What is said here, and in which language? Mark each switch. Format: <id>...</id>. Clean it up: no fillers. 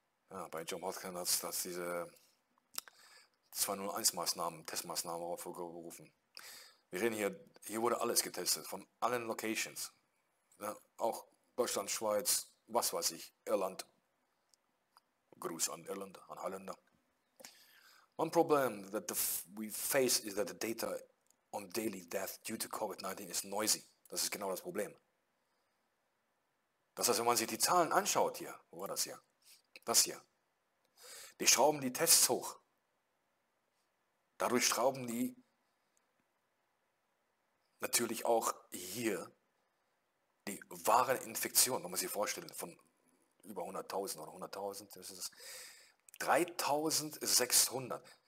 <de>Ja, bei John Hopkins hat es diese 201-Maßnahmen, Testmaßnahmen hervorgerufen. Wir reden hier wurde alles getestet, von allen Locations. Ja, auch Deutschland, Schweiz, was weiß ich, Irland. Gruß an Irland, an Holländer.</de> <en>One problem that we face is that the data on daily death due to COVID-19 is noisy.</en> <de>Das ist genau das Problem. Das heißt, wenn man sich die Zahlen anschaut hier, wo war das hier? Das hier. Die schrauben die Tests hoch. Dadurch schrauben die natürlich auch hier die wahre Infektion, wenn man sich vorstellt, von über 100.000 oder 100.000, das ist 3.600.</de>